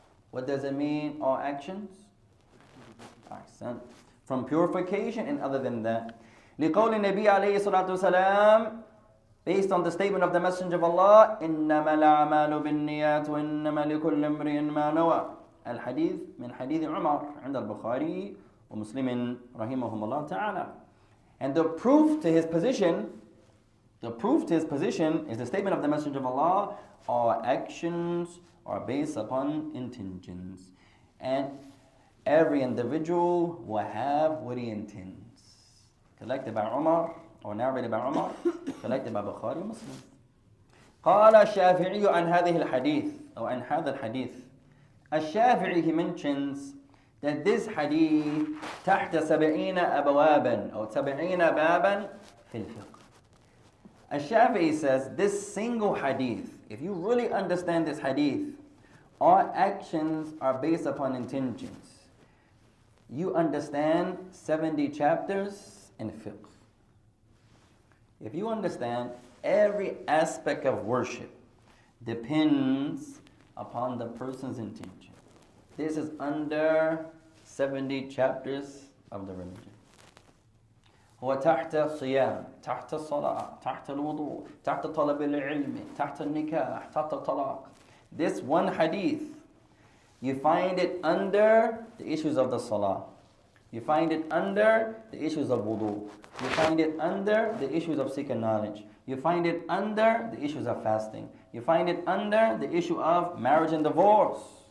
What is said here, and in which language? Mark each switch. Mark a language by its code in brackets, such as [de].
[en] What does it mean, all actions? Accent. From purification and other than that. [ar] لِقَوْلِ النَّبِيَ عَلَيْهِ صَلَاةُ وَسَلَامُ. [en] Based on the statement of the Messenger of Allah, [ar] إِنَّمَا الْعَمَالُ بِالنِّيَاتُ وَإِنَّمَا لِكُلِّ امْرِئٍ مَا نَوَى. الحديث من حديث عمر عند البخاري ومسلم رحمهم الله تعالى. [en] And the proof to his position is the statement of the Messenger of Allah, our actions are based upon intentions. And every individual will have what he intends. Collected by Umar, or narrated by Umar, collected by Bukhari Muslim. [ar] قال الشافعي عن هذه الحديث, أو عن هذا الحديث. الشافعي, [en] he mentions that this hadith [ar] تحت سبعين أبوابا, أو سبعين بابا في الفقه. [en] الشافعي says this single hadith, if you really understand this hadith, all actions are based upon intentions. You understand 70 chapters in fiqh. If you understand every aspect of worship depends upon the person's intention, this is under 70 chapters of the religion. [ar] هو تحت الصيام, تحت الصلاة, تحت الوضوء, تحت طلب العلم, تحت النكاح, تحت الطلاق. [en] This one hadith, you find it under the issues of the salah. You find it under the issues of wudu. You find it under the issues of seeking knowledge. You find it under the issues of fasting. You find it under the issue of marriage and divorce.